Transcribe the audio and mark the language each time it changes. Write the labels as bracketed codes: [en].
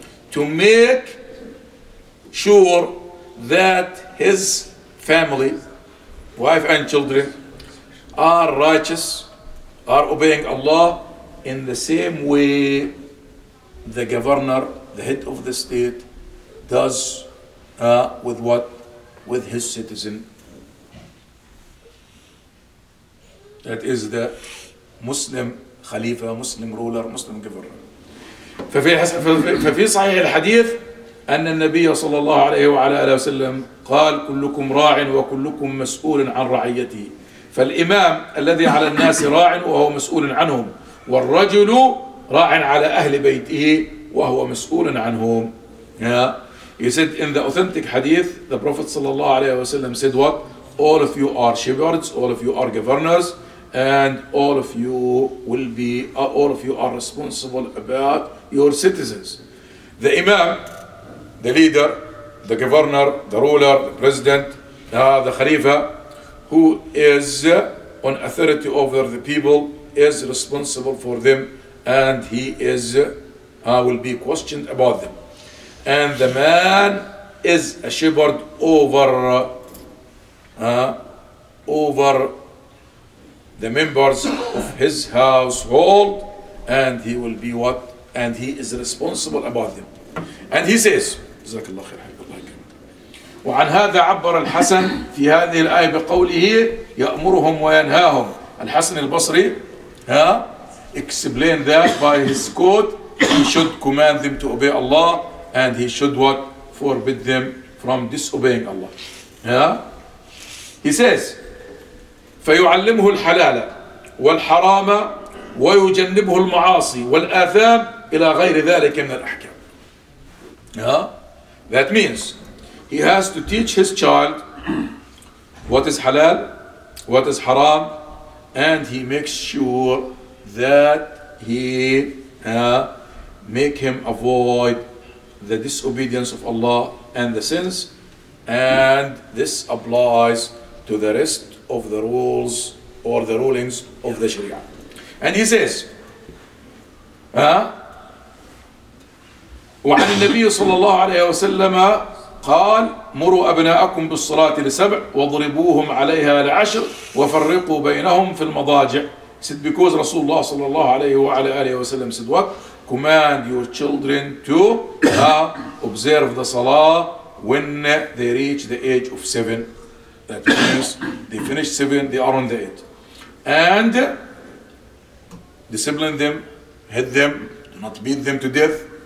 [en] To make sure that his family, wife and children, are righteous, are obeying Allah in the same way the governor, the head of the state, does with what? With his citizen. That is the Muslim Khalifa, Muslim ruler, Muslim governor. [ar] ففي صحيح الحديث أن النبي صلى الله عليه وعلى آله وسلم قال كلكم راع وكلكم مسؤول عن رعيته. فالإمام الذي على الناس راع وهو مسؤول عنهم، والرجل راع على أهل بيته وهو مسؤول عنهم. [en] He said in the authentic hadith, the Prophet sallallahu alayhi wa sallam said what? All of you are shepherds, all of you are governors, and all of you will be, all of you are responsible about your citizens. The imam, the leader, the governor, the ruler, the president, the khalifa, who is on authority over the people, is responsible for them, and he is, will be questioned about them. And the man is a shepherd over the members of his household, and he will be what? And he is responsible about them. And he says, جزاك الله خير حبيب الله كريم. [ar] وعن هذا عبر الحسن في هذه الآية بقوله يأمرهم وينهاهم. [en] الحسن البصري explained that by his quote, he should command them to obey Allah. And he should what? Forbid them from disobeying Allah. [ar] He says, فَيُعَلِّمْهُ الْحَلَالَ وَالْحَرَامَ وَيُجَنِّبْهُ الْمَعَاصِي وَالْآثَامَ إِلَى غَيْرِ ذَلِكَ مِنَ الْأَحْكَامِ. [en] That means, he has to teach his child what is halal, what is haram, and he makes sure that he make him avoid the disobedience of Allah and the sins, and this applies to the rest of the rules or the rulings of the Sharia. [ar] And he says, وعن النبي صلى الله عليه وسلم قال مروا أبناءكم بالصلاة لسبع وضربوهم عليها لعشر وفرقوا بينهم في المضاجع. [en] Said because رسول الله صلى الله عليه وعلى آله وسلم said what? Command your children to observe the salah when they reach the age of seven. That means they finish seven, they are on the eight. And discipline them, hit them, do not beat them to death.